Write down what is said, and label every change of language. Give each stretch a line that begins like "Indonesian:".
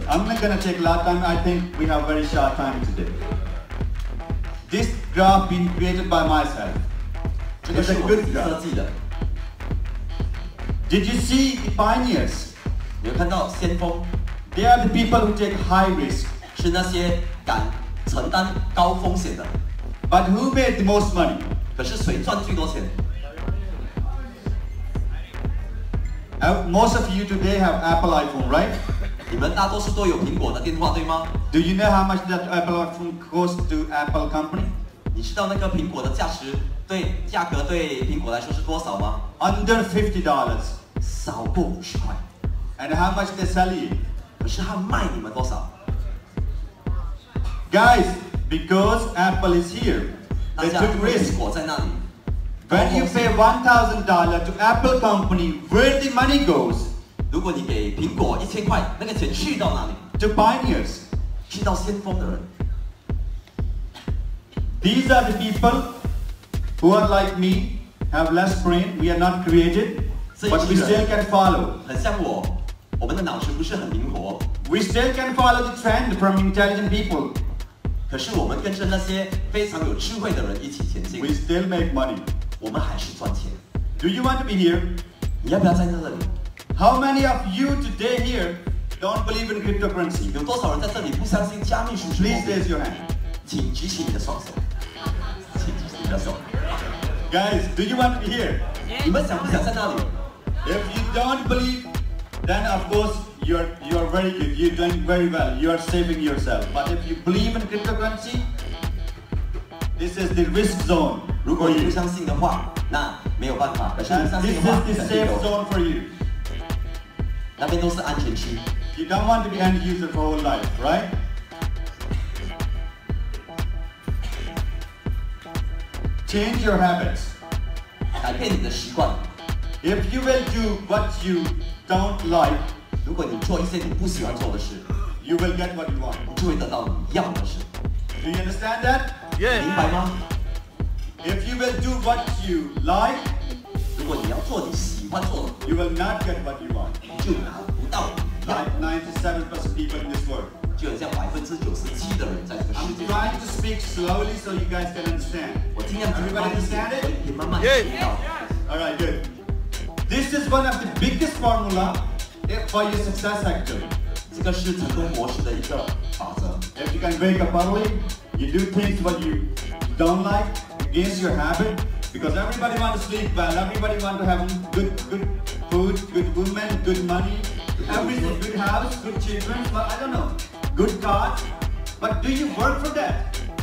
English: I'm not going to take a lot of time. I think we have very short time today. This graph been created by myself. It's a good graph. Did you see the pioneers?
Chinese: 你会看到先锋,
English: they are the people who take high risk.
Chinese: 是那些敢承担高风险的,
English: but who made the most money?
Chinese: 可是谁赚最多钱?
English: Most of you today have Apple iPhone, right?
Chinese: 你们大多数都有苹果的电话，对吗?
English: Do you know how much that Apple iPhone costs to Apple company?
Chinese: 你知道那个苹果的价格对苹果来说是多少吗?
English: Under $50.
Chinese: 少过50块。
English: And how much they sell you?
Chinese: 可是他卖你们多少?
English: Guys, because Apple is here, they took risk. When you pay $1,000 to Apple company, where the money goes?
Chinese: 如果你给苹果1000块, 那个钱去到哪里?
English: To pioneers.
Chinese: 去到先锋的人。
English: These are the people who are like me, have less brain, we are not created, but we still can follow.
Chinese: 很像我, 我们的脑子不是很灵活。
English: We still can follow the trend from intelligent people.
Chinese: 可是我们跟着那些非常有智慧的人一起前进。
English: We still make money.
Chinese: 我们还是赚钱。
English: Do you want to be here?
Chinese: 你要不要在那里?
English: How many of you today here don't believe in cryptocurrency?
Chinese: 有多少人在这里不相信加密数字?
English: Please raise your hand.
Chinese: 请举起你的双手。
English: Guys, do you want to be here?
Chinese: 你们想不想在那里?
English: If you don't believe, then of course you're very good. You're doing very well. You are saving yourself. But if you believe in cryptocurrency, this is the risk zone.
Chinese: 如果你不相信的话, 那没有办法,
English: this is the safe zone for you.
Chinese: 那边都是安全区.
English: You don't want to be end user for whole life, right? Change your habits.
Chinese: 改变你的习惯.
English: If you will do what you don't like,
Chinese: 如果你做一些你不喜欢做的事,
English: you will get what you want.
Chinese: 你就会得到你要的事.
English: Do you understand that? Yeah.
Chinese: 明白吗?
English: If you will do what you like,
Chinese: 如果你要做你喜欢做的,
English: you will not get what you want.
Chinese: 就拿不到.
English: Like 97% people in this world.
Chinese: 就很像97%的人在这个世界上。
English: I'm trying to speak slowly so you guys can understand. Everybody understand it? Yeah. Alright, good. This is one of the biggest formula for your success actually. If you can wake up early, you do things what you don't like, against your habit, because everybody wants to sleep well, everybody wants to have good food, good women, good money, everything, good house, good children, but I don't know, good God, but do you work for that?